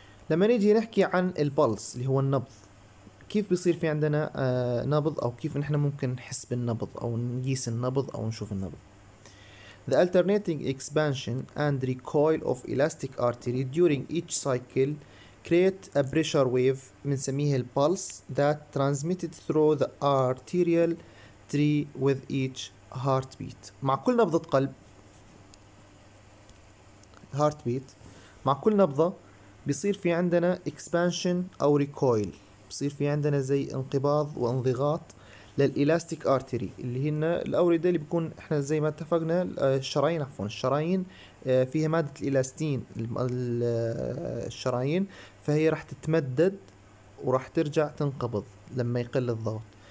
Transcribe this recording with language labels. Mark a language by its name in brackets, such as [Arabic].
[Arabic] لما نيجي نحكي عن البلس اللي هو النبض، كيف بيصير في عندنا نبض، او كيف نحن ممكن نحس بالنبض او نقيس النبض او نشوف النبض. [English] The alternating expansion and recoil of elastic artery during each cycle create a pressure wave [Arabic] بنسميه البلس [English] that transmitted through the arterial three with each heartbeat. [Arabic] مع كل نبضة قلب heartbeat، مع كل نبضة بيصير في عندنا expansion أو recoil، بيصير في عندنا زي انقباض وانضغاط للelastic artery اللي هن الأوردة اللي بيكون إحنا زي ما اتفقنا الشرايين، عفوا الشرايين فيها مادة الإلاستين الشرايين، فهي راح تتمدد وراح ترجع تنقبض لما يقل الضغط.